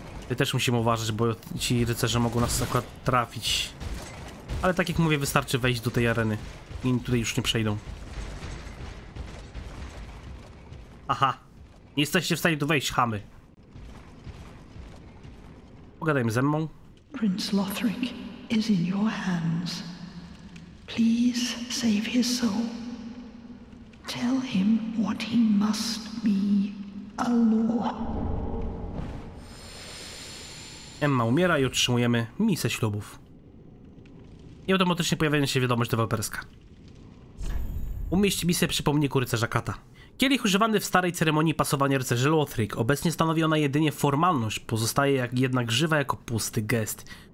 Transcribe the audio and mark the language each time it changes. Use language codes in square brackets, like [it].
[pl] My też musimy uważać, bo ci rycerze mogą nas akurat trafić. Ale tak jak mówię, wystarczy wejść do tej areny. Inni tutaj już nie przejdą. Aha. Nie jesteście w stanie tu wejść, chamy. Pogadajmy ze mną. [en] Prince Lothric is in your hands. Please save his soul. Tell him what he must be, a lord. [pl] Emma umiera i otrzymujemy misę ślubów. I automatycznie pojawia się wiadomość deweloperska. umieść misę przy pomniku rycerza Kata. Kielich używany w starej ceremonii pasowania rycerzy Lothric, obecnie stanowi ona jedynie formalność, pozostaje jednak żywa jako pusty gest.